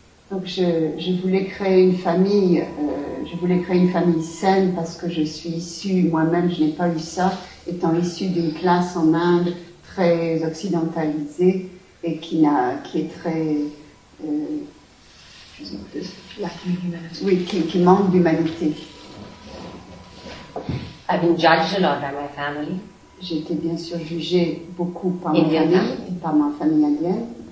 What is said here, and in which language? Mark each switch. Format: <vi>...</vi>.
<fr>Donc je voulais créer une famille saine parce que je suis issue, moi-même je n'ai pas eu ça, étant issue d'une classe en Inde très occidentalisée et qui manque d'humanité.</fr> <en>I've been judged a lot by my family.</en> <fr>J'ai été bien sûr jugée beaucoup par ma famille indienne.</fr>